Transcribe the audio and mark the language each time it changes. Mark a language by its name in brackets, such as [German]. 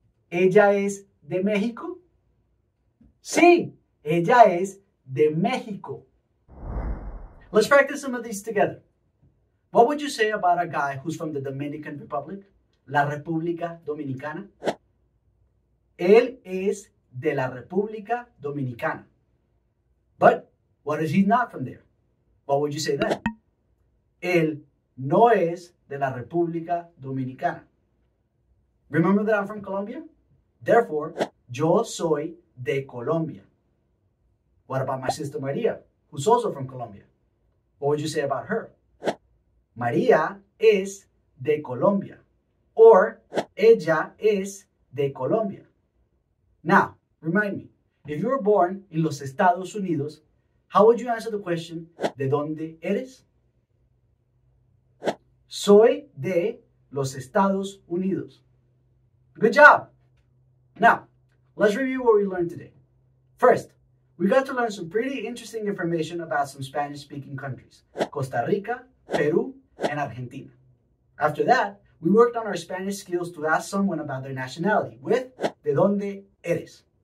[Spanish] ¿Ella es de México? Sí, ella es de México. [English] Let's practice some of these together. What would you say about a guy who's from the Dominican Republic, la República Dominicana? [Spanish] Él es de la República Dominicana. [English] But what if he's not from there? What would you say then? [Spanish] Él no es de la República Dominicana. [English] Remember that I'm from Colombia? Therefore, [Spanish] yo soy de Colombia. [English] What about my sister Maria, who's also from Colombia? What would you say about her? [Spanish] Maria is de Colombia, or ella es de Colombia. [English] Now, remind me, if you were born in los Estados Unidos, how would you answer the question, [Spanish] de dónde eres? Soy de los Estados Unidos. [English] Good job. Now, let's review what we learned today. First, we got to learn some pretty interesting information about some Spanish-speaking countries, Costa Rica, Peru, and Argentina. After that, we worked on our Spanish skills to ask someone about their nationality with [Spanish] de dónde eres.